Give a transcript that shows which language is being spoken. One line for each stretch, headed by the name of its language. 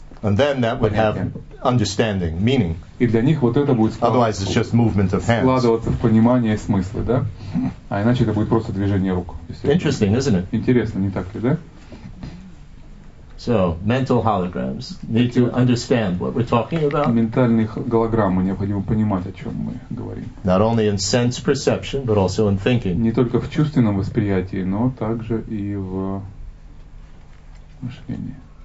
English: And then that would have understanding, meaning.
Russian: И для них вот это будет
English: Otherwise, it's just movement of hands.
Russian: Складываться в понимание смысла, да? А иначе это будет просто движение рук.
English: Interesting, isn't it?
Russian: Интересно, не так ли, да?
English: So, mental holograms need to understand what we're talking about.
Russian: Ментальные голограммы необходимо понимать, о чем мы говорим.
English: Not only in sense perception, but also in thinking.
Russian: Не только в чувственном восприятии, но также и в мышлении.